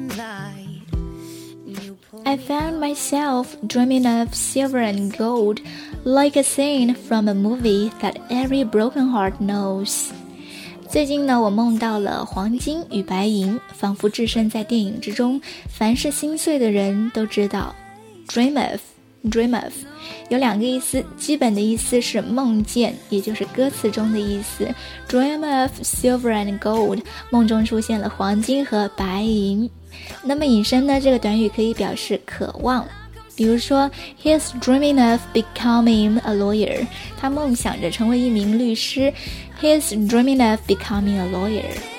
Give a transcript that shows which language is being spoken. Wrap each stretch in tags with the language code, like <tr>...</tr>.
<en>I found myself dreaming of silver and gold, like a scene from a movie that every broken heart knows.</en> <zh>最近呢，我梦到了黄金与白银，仿佛置身在电影之中，凡是心碎的人都知道 Dream of 有两个意思，基本的意思是梦见，也就是歌词中的意思。</zh> <en>Dream of silver and gold，</en> <zh>梦中出现了黄金和白银。那么引申呢，这个短语可以表示渴望，比如说</zh> <en>He's dreaming of becoming a lawyer，</en> <zh>他梦想着成为一名律师。</zh> <en>He's dreaming of becoming a lawyer。</en>